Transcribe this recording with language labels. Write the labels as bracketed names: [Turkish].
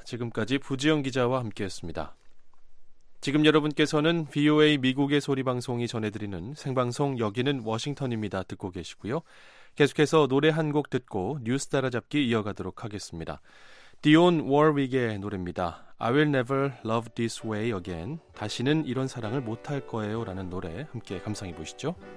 [Korean] 지금까지 부지영 기자와 함께했습니다. 지금 여러분께서는 VOA 미국의 소리 방송이 전해드리는 생방송 여기는 워싱턴입니다. 듣고 계시고요. 계속해서 노래 한 곡 듣고 뉴스 따라잡기 이어가도록 하겠습니다. Dionne Warwick의 노래입니다. [English] I will never love this way again. [Korean] 다시는 이런 사랑을 못할 거예요. 라는 노래 함께 감상해 보시죠.